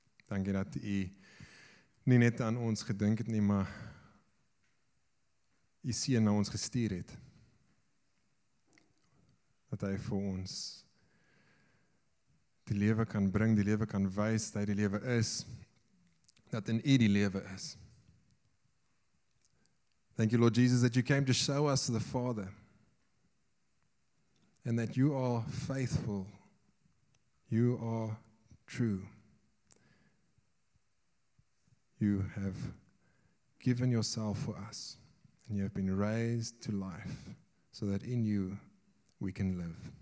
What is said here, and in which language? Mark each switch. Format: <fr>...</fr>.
<af>Dankie dat U nie net aan ons gedink het nie, maar U seun na ons gestuur het. Dat hy vir ons die lewe kan bring, die lewe kan wys, dat hy die lewe is, dat in U die lewe is.</af> <en>Thank you, Lord Jesus, that you came to show us the Father and that you are faithful, you are true. You have given yourself for us and you have been raised to life so that in you we can live.</en>